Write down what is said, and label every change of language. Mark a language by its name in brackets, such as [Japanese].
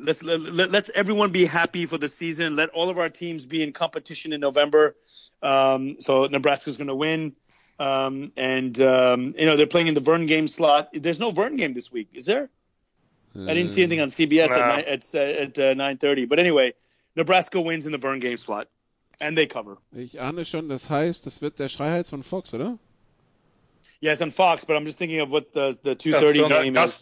[English] Let's everyone be happy for the season. Let all of our teams be in competition in November. So Nebraska's going to win. You know, they're playing in the Vern game slot. There's no Vern game this week, is there? I didn't see anything on CBS at 9:30. But anyway, Nebraska wins in the Vern game slot. And they cover. [German] Ich ahne schon, das heißt, das wird der Schreiheits von Fox, oder? [English] Yeah, it's on Fox, but I'm just thinking of what the 2:30 game is.